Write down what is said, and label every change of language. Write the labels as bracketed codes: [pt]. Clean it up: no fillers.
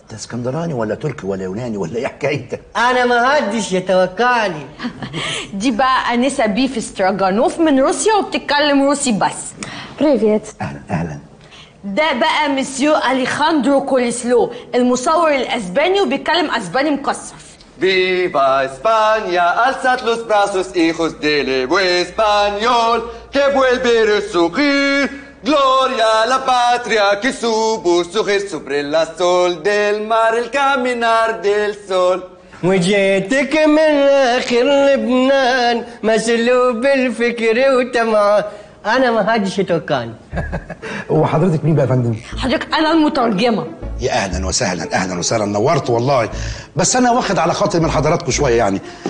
[ar] أنت اسكندراني ولا تركي ولا يوناني ولا إيه حكايتك؟ أنا ما حدش يتوقعني. دي بقى أنسة بيف ستراجانوف من روسيا وبتتكلم روسي بس. بريفيت. أهلا أهلا. ده بقى مسيو أليخاندرو كوليسلو المصور الأسباني وبيتكلم أسباني مكسر. [es] Viva España, alzad los brazos, hijos del Evo español, que vuelve a resurgir. Gloria a la patria que supo surgir sobre el azul del mar, el caminar del sol. [ar] وجيتك من آخر لبنان مسلوب الفكر وتمع. أنا ما هادش توكان. وحضرتك مين بقى يا فندم؟ حضرتك أنا المترجمة. يا أهلا وسهلا، أهلا وسهلا، نورت والله. بس أنا واخد على خاطر من حضراتكم شوية يعني.